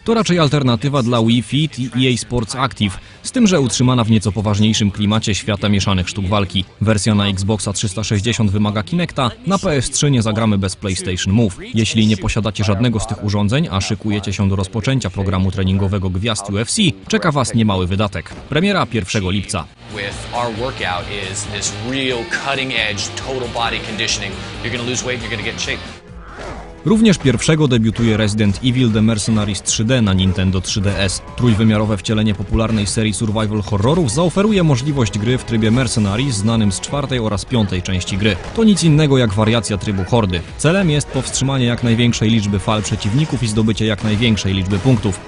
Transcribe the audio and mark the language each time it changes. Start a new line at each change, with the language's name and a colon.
Polish: To raczej alternatywa dla Wii Fit i EA Sports Active, z tym, że utrzymana w nieco poważniejszym klimacie świata mieszanych sztuk walki. Wersja na Xboxa 360 wymaga Kinecta, na PS3 nie zagramy bez PlayStation Move. Jeśli nie posiadacie żadnego z tych urządzeń, a szykujecie się do rozpoczęcia programu treningowego gwiazd UFC, czeka Was niemały wydatek. Premiera 1 lipca.
English: With our workout is this real cutting edge total body conditioning. You're gonna lose weight, you're gonna get in shape.
Polish: Również pierwszego debiutuje Resident Evil The Mercenaries 3D na Nintendo 3DS. Trójwymiarowe wcielenie popularnej serii survival horrorów zaoferuje możliwość gry w trybie Mercenaries, znanym z czwartej oraz piątej części gry. To nic innego jak wariacja trybu hordy. Celem jest powstrzymanie jak największej liczby fal przeciwników i zdobycie jak największej liczby punktów.